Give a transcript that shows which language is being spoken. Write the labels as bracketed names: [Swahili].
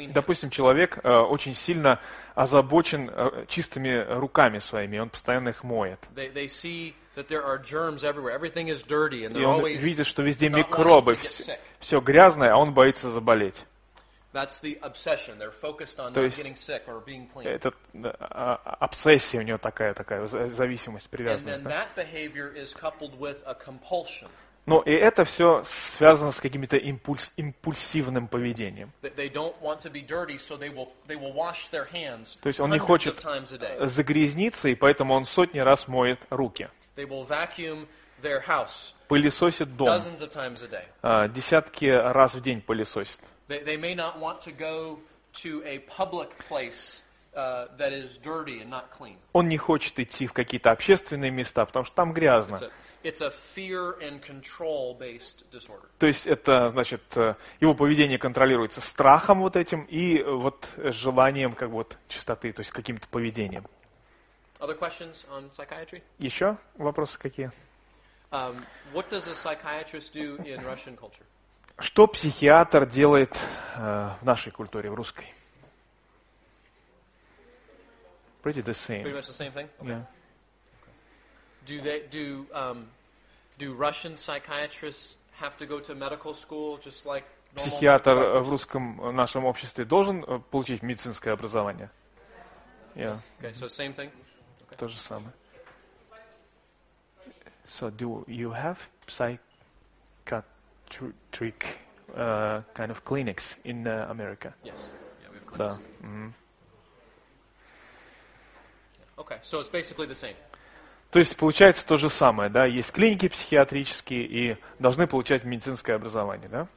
[Russian] Допустим, человек очень сильно озабочен чистыми руками своими, он постоянно их моет. [English] They see that there are germs everywhere. Everything is dirty, and they're always not wanting to get sick. [Russian] И он видит, что везде микробы, все грязное, а он боится заболеть. [English] That's the obsession. They're focused on not getting sick or being clean. [Russian] Это обсессия у него такая зависимость, привязанность. [English] And then that behavior is coupled with a compulsion. [Russian] Но и это все связано с каким-то импульсивным поведением. [English] They don't want to be dirty, so they will wash their hands. [Russian] То есть он не хочет загрязниться, и поэтому он сотни раз моет руки. [English] They will vacuum their house. [Russian] Пылесосит дом. [English] Dozens of times a day. [Russian] Десятки раз в день пылесосит. [English] They may not want to go to a public place that is dirty and not clean. [Russian] Он не хочет идти в какие-то общественные места, потому что там грязно. [English] It's a fear and control based disorder. [Russian] То есть это значит его поведение контролируется страхом вот этим и вот желанием как вот чистоты, то есть каким-то поведением. [English] Other questions on psychiatry? [Russian] Еще вопросы какие? [English] What does a psychiatrist do in Russian culture? [Russian] Что психиатр делает в нашей культуре, в русской? [English] Pretty the same. Pretty much the same thing. Okay. Yeah. Do Russian psychiatrists have to go to medical school just like normal? [Russian] Психиатр в русском нашем обществе должен получить медицинское образование? [English] Yeah. Okay. So same thing. [Russian] То же самое. [English] So do you have psych trick kind of clinics in America. Yes. Yeah, we have clinics. So, mm-hmm. Okay, so it's basically the same. [Russian] То есть получается то же самое, да? Есть клиники психиатрические и должны получать медицинское образование, да?